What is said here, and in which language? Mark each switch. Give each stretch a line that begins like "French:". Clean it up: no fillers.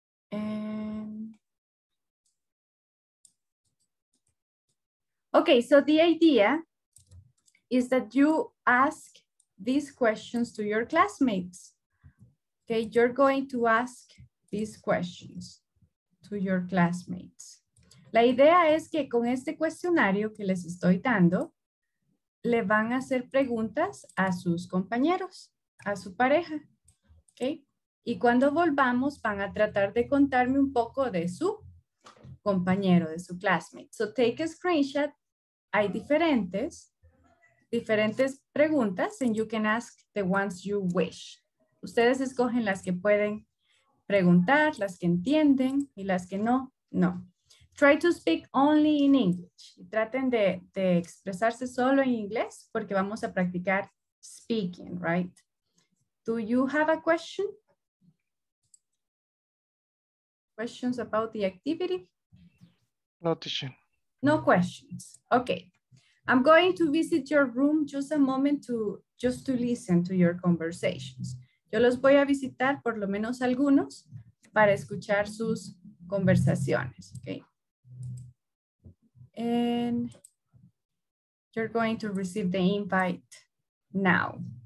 English: And okay, so the idea is that you ask these questions to your classmates. Okay, you're going to ask these questions to your classmates.
Spanish: La idea es que con este cuestionario que les estoy dando, le van a hacer preguntas a sus compañeros, a su pareja. Okay. Y cuando volvamos, van a tratar de contarme un poco de su compañero, de su classmate.
English: So take a screenshot.
Spanish: Hay diferentes preguntas,
English: and you can ask the ones you wish.
Spanish: Ustedes escogen las que pueden preguntar, las que entienden, y las que no, no.
English: Try to speak only in English.
Spanish: Traten de expresarse solo en inglés, porque vamos a practicar speaking, right?
English: Do you have a question? Questions about the activity? No, teacher. No questions. Okay. I'm going to visit your room just a moment to listen to your conversations.
Spanish: Yo los voy a visitar por lo menos algunos para escuchar sus conversaciones.
English: Okay. And you're going to receive the invite now.